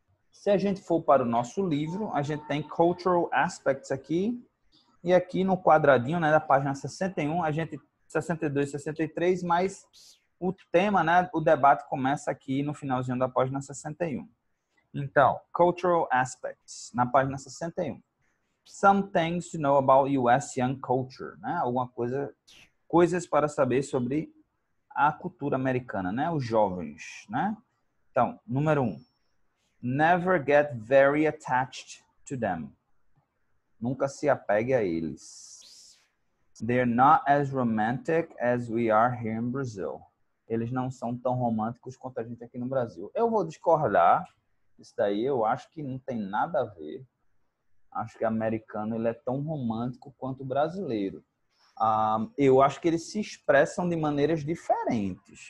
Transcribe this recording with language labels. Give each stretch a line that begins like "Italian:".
Portuguese: Se a gente for para o nosso livro, a gente tem cultural aspects aqui. E aqui no quadradinho, né, da página 61, a gente 62, 63, mas o tema, né, o debate começa aqui no finalzinho da página 61. Então, cultural aspects na página 61.
English: Some things to know about US young culture, né?
Portuguese: Alguma coisa, coisas para saber sobre a cultura americana, né, os jovens, né?
English: Então, número 1. Never get very attached to them.
Portuguese: Nunca se apegue a eles.
English: They're not as romantic as we are here in Brazil.
Portuguese: Eles não são tão românticos quanto a gente aqui no Brasil. Eu vou discordar. Isso daí eu acho que não tem nada a ver. Acho que o americano ele é tão romântico quanto o brasileiro. Eu acho que eles se expressam de maneiras diferentes.